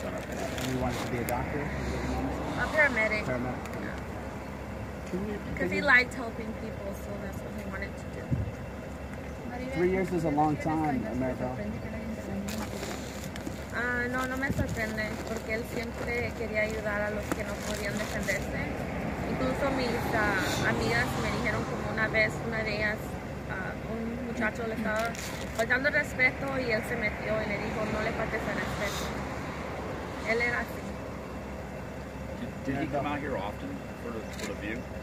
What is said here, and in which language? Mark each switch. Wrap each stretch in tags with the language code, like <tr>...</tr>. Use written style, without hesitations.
<en>And he wanted to be a doctor? A paramedic. Yeah. Because he liked helping people, so that's what he wanted to do. 3 years is a long time, America.</en> <es>No me sorprende, porque él siempre quería ayudar a los que no podían defenderse. Incluso mis amigas me dijeron como una de ellas, un muchacho le estaba faltando respeto y él se metió y le dijo, no le faltes el respeto. Él era así.</es> <en>Did he come out here often for the view?</en>